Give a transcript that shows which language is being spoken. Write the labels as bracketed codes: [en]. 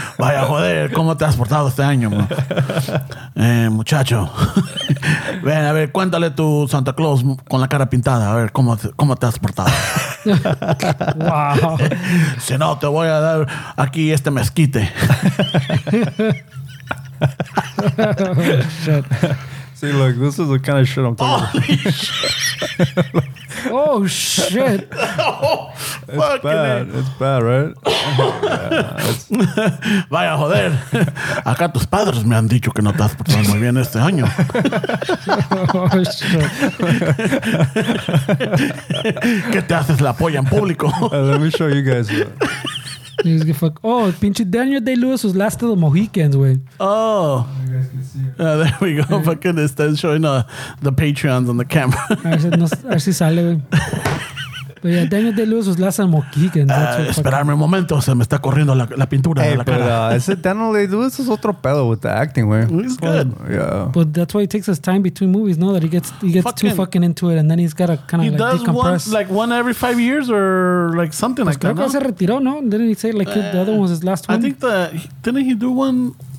[es] Vaya joder, ¿cómo te has portado este año, man? Muchacho. Ven, a ver, cuéntale tu Santa Claus con la cara pintada, a ver cómo te has portado. [en] Wow. [es] Si no, te voy a dar aquí este mezquite. [en] Oh, shit. See, look, this is the kind of shit I'm talking about. Holy shit. Oh, shit. It's fucking bad. Man. It's bad, right? [es] Vaya, joder. Acá tus padres me han dicho que no te has portado muy bien este año. [en] Oh, shit. [es] ¿Qué te haces la polla en público? [en] Let me show you guys. He's gonna fuck. Oh, pinche Daniel Day-Lewis was last of the Mohicans, way. Oh. You guys can see it. There we go. Yeah. Fucking instead showing the Patreons on the camera. I see sale, güey. But yeah, Daniel Day-Lewis was last of the Mohicans. [es] Esperarme un momento. Se me está corriendo la pintura de la cara. [en] Hey, but Daniel Day-Lewis is otro pedo with the acting, way. He's good. Yeah. But that's why it takes his time between movies, no? That he gets fucking too fucking into it, and then he's got to kind of like decompress. He does one every 5 years or like something like that, [es] creo que se retiró, no? [en] Didn't he say the other one was his last one? I think didn't he do one?